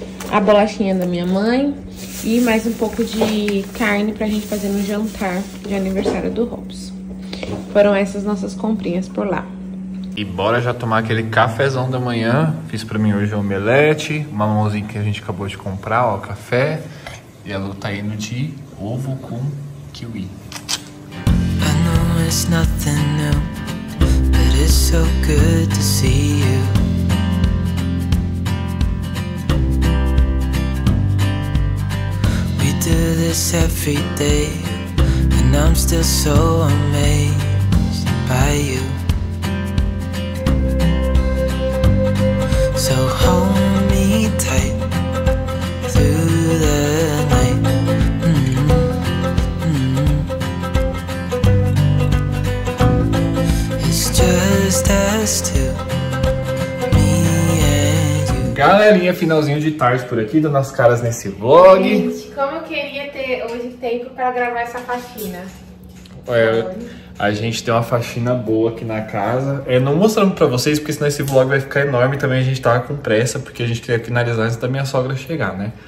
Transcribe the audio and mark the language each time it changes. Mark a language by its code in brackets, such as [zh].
[pt] A bolachinha da minha mãe. E mais um pouco de carne pra gente fazer no jantar de aniversário do Robson. Foram essas nossas comprinhas por lá. E bora já tomar aquele cafezão da manhã. Fiz pra mim hoje um omelete, uma mamãozinha que a gente acabou de comprar, ó, café. E a Lu tá indo de ovo com kiwi. [en] I know it's nothing new, but it's so good to see you. We do this every day, and I'm still so amazed by you. So hold me tight through the night. It's just us two, me and you. [pt] Galerinha, finalzinho de tarde por aqui, dando as caras nesse vlog. Gente, como eu queria ter hoje tempo para gravar essa faxina. Ué, a gente tem uma faxina boa aqui na casa. É, não mostrando pra vocês, porque senão esse vlog vai ficar enorme. Também a gente tava com pressa, porque a gente queria finalizar antes da minha sogra chegar, né?